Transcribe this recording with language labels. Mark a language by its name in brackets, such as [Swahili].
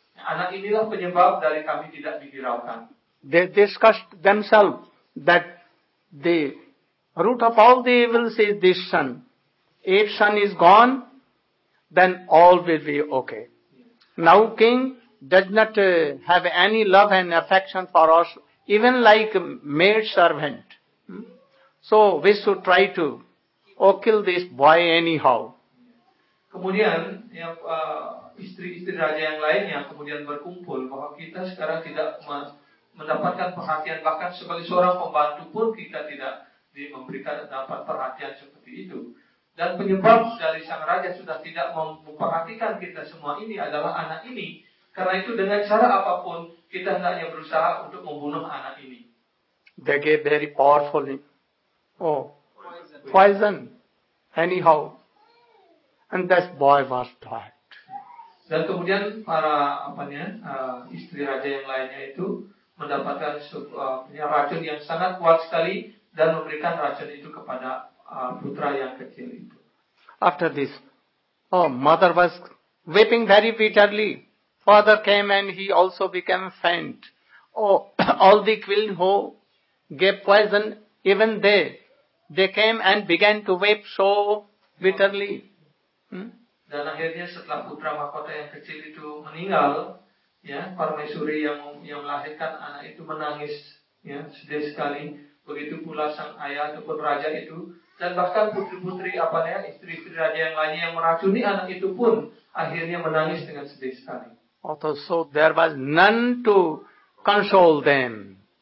[Indonesian] Anak inilah penyebab dari kami tidak dihiraukan. [English] They discussed themselves that the root of all the evils is this son. If son is gone, then all will be okay. Now king does not have any love and affection for us, even like maid servant. So we should try to kill this boy anyhow. [Indonesian] Kemudian istri-istri raja yang lainnya kemudian berkumpul bahwa kita sekarang tidak mendapatkan perhatian, bahkan sebagai seorang pembantu pun kita tidak memberikan dapat perhatian seperti itu. Dan penyebab dari sang raja sudah tidak memperhatikan kita semua ini adalah anak ini. Karena itu dengan cara apapun kita hendaknya berusaha untuk membunuh anak ini. [English] They gave very powerful poison anyhow, and that boy was dead. [Indonesian] Dan kemudian para istri raja yang lainnya itu mendapatkan racun yang sangat kuat sekali dan memberikan racun itu kepada putra yang kecil itu. [English] After this, mother was weeping very bitterly. Father came and he also became faint. All the queen who gave poison, even they they came and began to weep so bitterly. [Indonesian] Dan akhirnya setelah putra mahkota yang kecil itu meninggal, ya, permaisuri yang melahirkan anak itu menangis, ya, sedih sekali. Begitu pula sang ayah ataupun raja itu, dan bahkan putri-putri apanya, istri-istri raja yang lainnya yang meracuni anak itu pun akhirnya menangis dengan sedih sekali. [English] So there was none to console them.